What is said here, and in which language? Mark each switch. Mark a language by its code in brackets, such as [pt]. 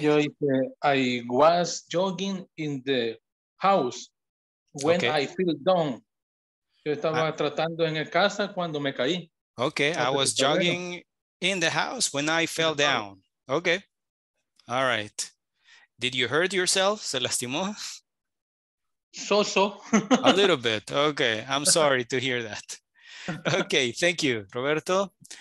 [es] Yo hice, [en] I was jogging in the house when I fell down. [es] Yo estaba tratando en el casa cuando me caí. [en] Okay, I was jogging in the house when I fell down. Okay, all right. Did you hurt yourself? [es] Se lastimó? [en] So. A little bit. Okay, I'm sorry to hear that. Okay, thank you, Roberto.